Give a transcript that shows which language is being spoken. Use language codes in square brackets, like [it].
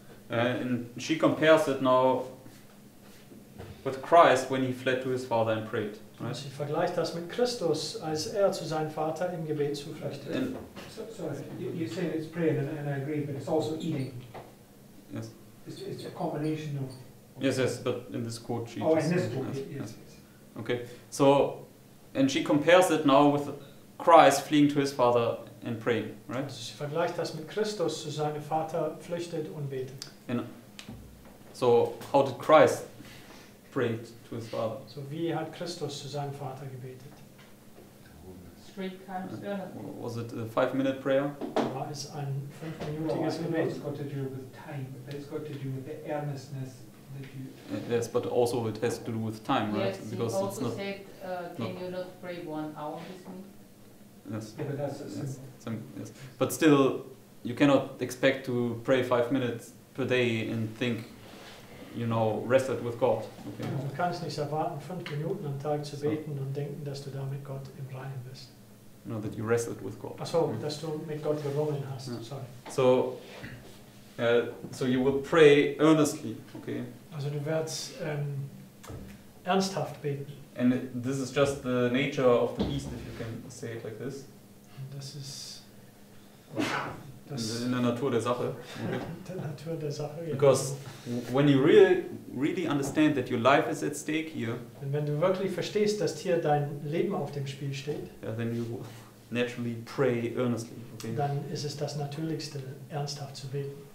[en] And she compares it now with Christ when he fled to his father and prayed. Right? [de] Sie vergleicht das mit Christus, als zu seinem Vater im Gebet zu flüchtete. [en] Sorry, you say it's praying and I agree, but it's also eating. Yes. It's a combination of yes, but in this quote she yes. Okay. So and she compares it now with Christ fleeing to his father and praying, right? [de] Sie vergleicht das mit Christus, zu seinem Vater flüchtet und betet. [en] And so how did Christ pray to his father? [de] So wie hat Christus zu seinem Vater gebetet? [en] Was it a 5-minute prayer? [de] War es ein 5-minütiges Gebet? [en] It's got to do with time, but it's got to do with the earnestness that you... Yes, but also it has to do with time, right? Yes, because he also said, can you not pray 1 hour with me? Yes. Yeah, but that's Yes. But still, you cannot expect to pray 5 minutes per day and think, you know, rested with God. Okay. [de] Du kannst nicht erwarten, 5 Minuten am Tag zu beten und denken, dass du damit Gott im Reinen bist. [en] No, that you wrestled with God. [de] Ach so, dass du mit Gott gerungen hast. [en] Yeah. Sorry. So, so you will pray earnestly. Okay. [de] Also du wirst ernsthaft beten. [en] And this is just the nature of the beast, if you can say it like this. [de] Das ist. In der Natur der Sache. Okay. Der Natur der Sache, ja. [en] Because when you really understand that your life is at stake here. [de] Und wenn du wirklich verstehst, dass hier dein Leben auf dem Spiel steht. [en] Yeah, then you naturally pray earnestly. Okay. [de] Dann ist es das Natürlichste, ernsthaft zu beten.